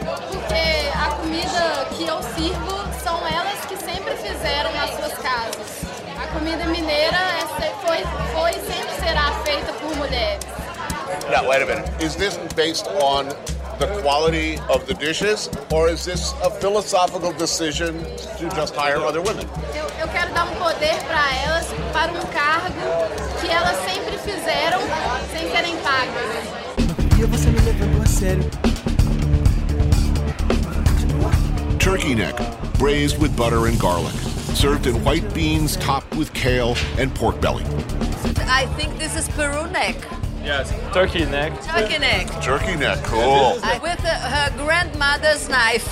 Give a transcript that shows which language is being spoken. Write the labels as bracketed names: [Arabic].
[Portuguese] Porque a comida que eu sirvo são elas que sempre fizeram nas suas casas. A comida mineira foi e sempre será feita por mulheres. [English] Now, wait a minute. Is this based on the quality of the dishes, or is this a philosophical decision to just hire other women? [Portuguese] Eu quero dar poder para elas, para cargo que elas sempre fizeram, sem serem pagas. [English] Turkey neck, braised with butter and garlic, served in white beans topped with kale and pork belly. I think this is Peru neck. Yes, turkey neck. Turkey neck, cool. With her grandmother's knife.